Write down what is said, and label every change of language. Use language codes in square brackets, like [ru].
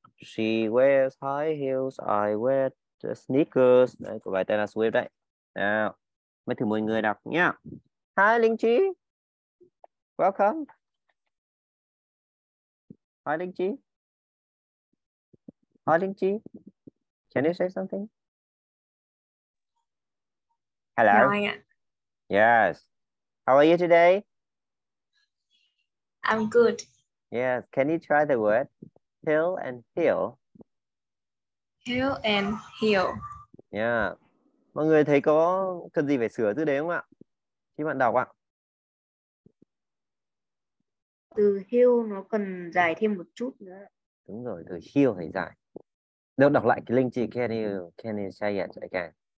[en] She wears high heels, I wear the sneakers. [vi] Đấy, của bài Taylor Swift đấy. Nào, mời thử mọi người đọc nhá. [en] Hi Linh Chi. Welcome. Hi, Linh Chi. Hi, Linh Chi. Can you say something? Hello. Yeah. Yes. How are you today? I'm good. Yes. Can you try the word hill and heel? Hill and heel. Yeah. [vi] Mọi người thấy có cần gì phải sửa từ đấy không ạ? Khi bạn đọc ạ. Từ heel nó cần dài thêm một chút nữa. Đúng rồi, từ heel phải dài. Nếu đọc lại cái Linh Chi, [en] can you say it again?